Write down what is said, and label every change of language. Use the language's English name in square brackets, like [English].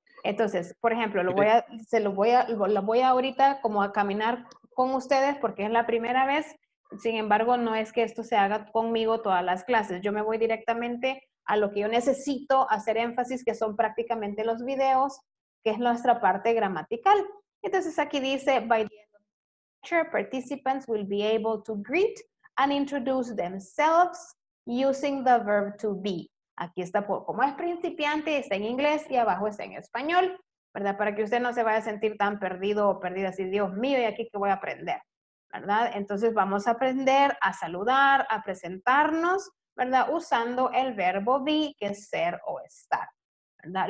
[Spanish] Entonces, por ejemplo, lo voy a ahorita como a caminar con ustedes porque es la primera vez. Sin embargo, no es que esto se haga conmigo todas las clases. Yo me voy directamente... a lo que yo necesito hacer énfasis, que son prácticamente los videos, que es nuestra parte gramatical. Entonces aquí dice, [English] by the end of the lecture, participants will be able to greet and introduce themselves using the verb to be. [Spanish] Aquí está, por como es principiante, está en inglés y abajo está en español, ¿verdad? Para que usted no se vaya a sentir tan perdido o perdida, así, Dios mío, ¿y aquí qué voy a aprender? ¿Verdad? Entonces vamos a aprender a saludar, a presentarnos, ¿verdad? Usando el verbo be, que es ser o estar, ¿verdad?